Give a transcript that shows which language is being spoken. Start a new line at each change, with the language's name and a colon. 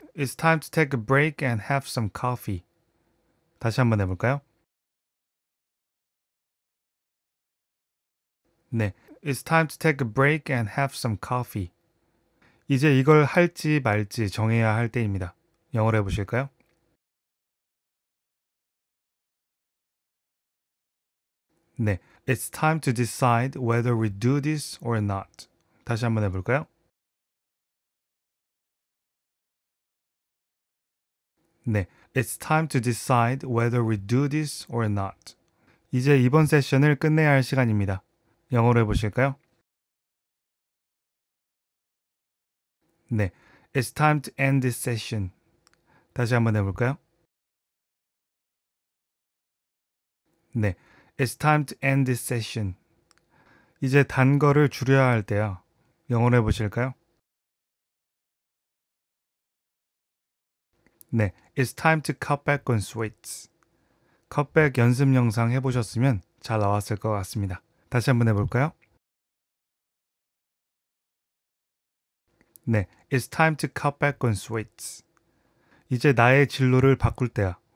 English: It's time to take a break and have some coffee.
Korean: 다시 한번 해볼까요? 네.
English: It's time to take a break and have some coffee.
Korean: 이제 이걸 할지 말지 정해야 할 때입니다. 영어로 해보실까요?
English: It's time to decide whether we do this or not.
Korean: 다시 한번 해볼까요?
English: 네, it's time to decide whether we do this or not.
Korean: 이제 이번 세션을 끝내야 할 시간입니다. 영어로 해보실까요?
English: 네, it's time to end this session.
Korean: 다시 한번 해볼까요?
English: 네, it's time to end this session.
Korean: 이제 단거를 줄여야 할 때야. 영어로 해보실까요?
English: 네, it's time to cut back on sweets.
Korean: 컷백 연습 영상 해보셨으면 잘 나왔을 것 같습니다. 다시 한번 해볼까요?
English: 네, it's time to cut back on sweets.
Korean: 이제 나의 진로를 바꿀 때야.